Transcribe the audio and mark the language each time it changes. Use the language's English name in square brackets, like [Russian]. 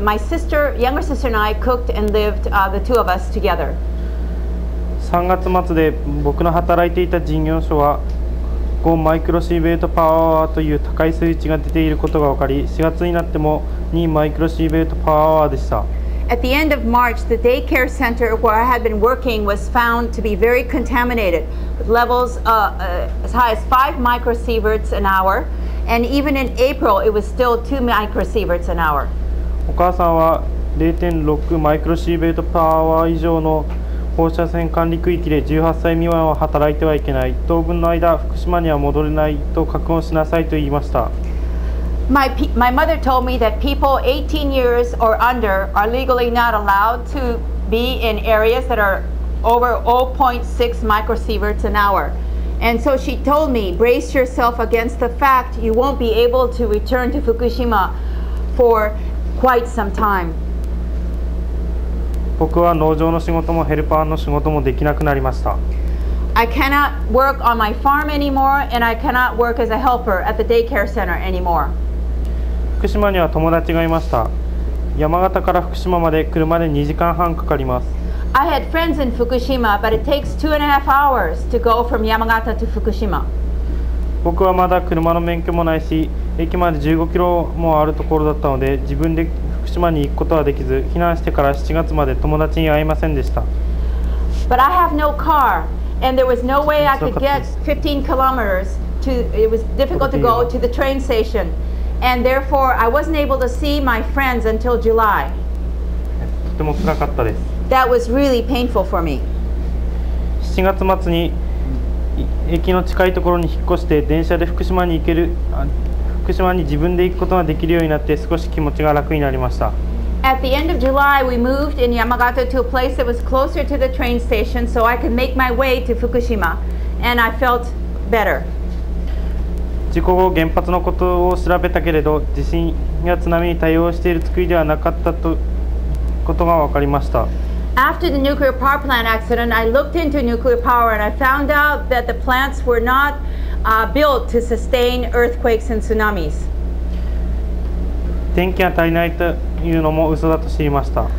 [English] My sister, younger sister, and I cooked and lived. The two of us together. [Japanese] 3月末で僕の働いていた事業所は5マイクロシーベルトパワーアワーという高い数値が出ていることが分かり、4月になっても2マイクロシーベルトパワーアワーでした。 [English] At the end of March, the daycare center where I had been working was found to be very contaminated, with levels as high as 5 microsieverts an hour. And even in April, it was still 2 microsieverts an hour. [Japanese] お母さんは 0.6 マイクロシーベルトパワーアワー以上の放射線管理区域で18歳未満は働いてはいけない。当分の間、福島には戻れないと確保しなさいと言いました。 [English] My mother told me that people 18 years or under are legally not allowed to be in areas that are over 0.6 microsieverts an hour. And so she told me, brace yourself against the fact you won't be able to return to Fukushima for quite some time. [Japanese] 僕は農場の仕事もヘルパーの仕事もできなくなりました。 [English] I cannot work on my farm anymore, and I cannot work as a helper at the daycare center anymore. [Japanese] 福島には友達がいました。山形から福島まで車で2時間半かかります。 [English] I had friends in Fukushima, but it takes 2.5 hours to go from Yamagata to Fukushima. [Japanese] 僕はまだ車の免許もないし、駅まで15キロもあるところだったので、自分で福島に行くことはできず、避難してから7月まで友達に会いませんでした。 [English] But I have no car, and there was no way I could get 15 kilometers to, it was difficult to go to the train station. And therefore, I wasn't able to see my friends until July. [Japanese] とても辛かったです。 [English] That was really painful for me. [Japanese] 7月末に駅の近いところに引っ越して電車で福島に行ける、福島に自分で行くことができるようになって少し気持ちが楽になりました。 [English] At the end of July, we moved in Yamagata to a place that was closer to the train station so I could make my way to Fukushima, and I felt better. [Japanese] 事故後原発のことを調べたけれど、地震や津波に対応している作りではなかったと。ことが分かりました。 [English] After the nuclear power plant accident, I looked into nuclear power and I found out that the plants were not built to sustain earthquakes and tsunamis. [Japanese] 電気が足りないというのも嘘だと知りました。